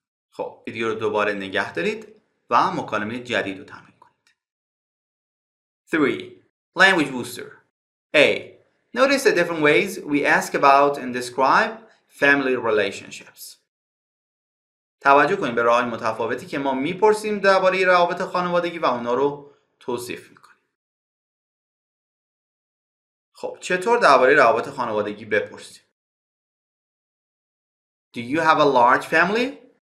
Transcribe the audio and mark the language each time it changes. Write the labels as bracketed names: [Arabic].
[Persian] خب ویدیو رو دوباره نگه دارید و مکالمه جدید رو تمرین کنید. [English] 3. Language booster. A. Notice the different ways we ask about and describe family relationships. [Persian] توجه کنید به راه‌های متفاوتی که ما می‌پرسیم درباره روابط خانوادگی و اونا رو توصیف می‌کنیم. خب چطور درباره روابط خانوادگی بپرسیم؟ [English] Do you have a large family?